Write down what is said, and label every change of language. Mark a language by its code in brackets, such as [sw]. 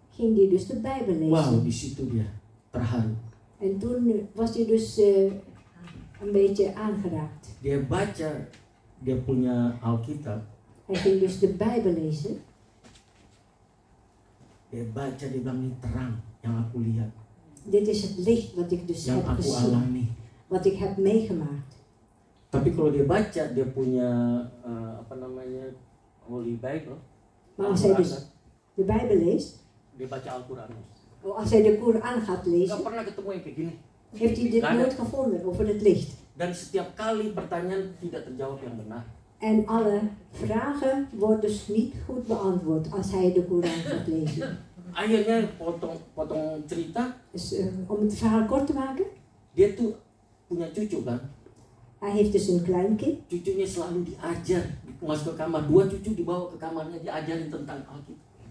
[nl] Ging hij dus de Bijbel lezen. [id] Wow, di situ dia terharu. [nl] En toen was hij dus een beetje aangeraakt. [id] Dia baca, dia punya Alkitab. [nl] Hij ging dus de Bijbel lezen. [id] Dia baca, dia bilang, ini terang yang aku lihat. [nl] Dit is het licht wat ik dus [id] yang [nl] heb [id] aku [nl] gezien. [id] Alami. [nl] Wat ik heb meegemaakt. [id] Tapi kalau dia baca, dia punya apa namanya Holy Bible. [nl] Maar als hij dus de Bijbel leest. [id] Dia baca Al-Quran. [nl] Oh, als hij de Koran gaat lezen. [id] Gak pernah ketemu yang kayak gini. [nl] Heeft hij dit nooit gevonden over het licht? [id] Dan setiap kali pertanyaan tidak terjawab yang benar. [nl] En alle vragen worden dus niet goed beantwoord als hij de Koran gaat lezen. [id] Akhirnya potong cerita. [nl] Dus, om het verhaal kort te maken. [id] Dia tuh punya cucu kan. [nl] Hij heeft dus een klein kind. [id] Cucunya selalu diajar masuk ke kamar. Dua cucu dibawa ke kamarnya diajarin tentang Alkitab.